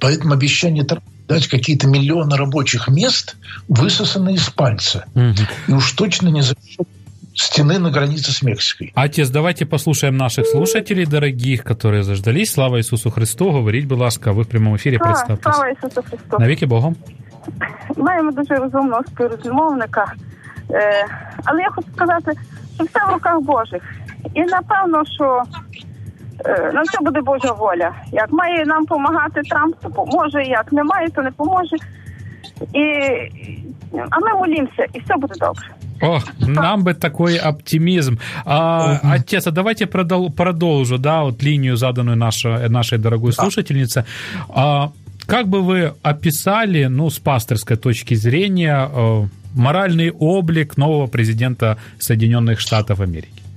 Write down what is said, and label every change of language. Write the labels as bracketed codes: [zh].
[ru] Поэтому обещание дать какие-то миллионы рабочих мест высосаны из пальца. Угу. И уж точно не за стены на границе с Мексикой. Отец, давайте послушаем наших слушателей, дорогих, которые заждались. Слава Иисусу Христу! Говорить, [uk] будь ласка, [ru] вы в прямом эфире, представьтесь. Слава Иисусу Христу! Навеки Богом! [uk] Маємо дуже розумного співрозмовника, але я хочу сказати, що все в руках Божих. І напевно, що на все буде Божа воля. Як має нам помагати Трамп, то поможе, як не має, то не поможе. І А ми молимося, і все буде добре. [ru] О, нам би такой оптимизм. Отец, а давайте продолжу, да, вот линию, заданную нашей дорогой слушательнице. А как бы вы описали, ну, с пастырской точки зрения, моральный облик нового президента Соединенных Штатов Америки?